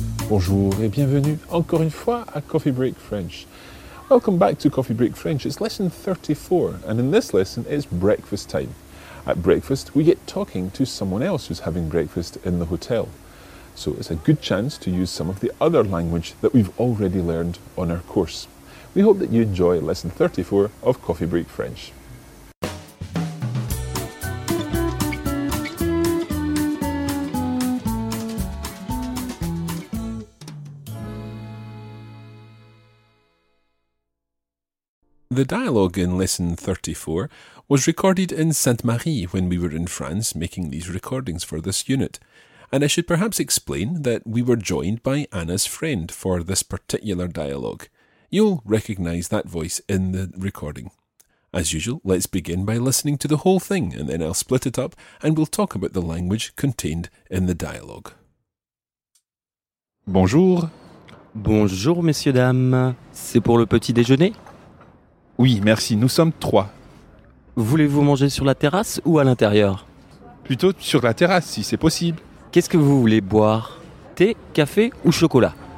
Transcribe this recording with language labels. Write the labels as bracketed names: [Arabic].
[French] Bonjour et bienvenue encore une fois à Coffee Break French. [English] Welcome back to Coffee Break French. It's lesson 34, and in this lesson, it's breakfast time. At breakfast, we get talking to someone else who's having breakfast in the hotel. So it's a good chance to use some of the other language that we've already learned on our course. We hope that you enjoy lesson 34 of Coffee Break French. The dialogue in lesson 34 was recorded in Sainte-Marie when we were in France making these recordings for this unit, and I should perhaps explain that we were joined by Anna's friend for this particular dialogue. You'll recognise that voice in the recording. As usual, let's begin by listening to the whole thing, and then I'll split it up and we'll talk about the language contained in the dialogue. [French] Bonjour. Bonjour, messieurs, dames. C'est pour le petit déjeuner? Oui, merci, nous sommes trois. Voulez-vous manger sur la terrasse ou à l'intérieur? Plutôt sur la terrasse, si c'est possible. Qu'est-ce que vous voulez boire? Thé, café ou chocolat?